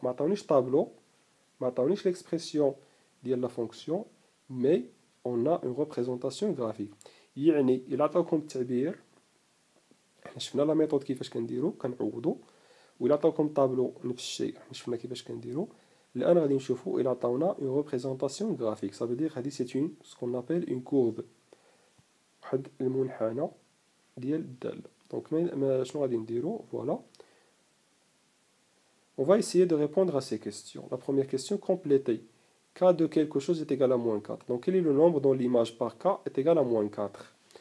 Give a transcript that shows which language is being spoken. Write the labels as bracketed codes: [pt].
[ar] ما عطاونيش طابلو، ما عطاونيش ليكسبرسيون ديال لا فونكسيون، مي [fr] on a une représentation graphique. [ar] يعني الى عطاكم التعبير، حنا شفنا لا ميثود كيفاش كنديرو، كنعوضو. والى عطاكم طابلو نفس الشيء، حنا شفنا كيفاش كنديرو. الان غادي نشوفو الى عطاونا [fr] une représentation graphique. ça veut dire [ar] هادي سي اون [fr] ce qu'on appelle une courbe. [ar] واحد المنحنى ديال الدالة. دونك ما شنو غادي نديرو؟ voilà. [fr] on va essayer de répondre à ces questions. la première question complétée. K de quelque chose est égal à moins 4. Donc, quel est le nombre dont l'image par K est égal à moins 4?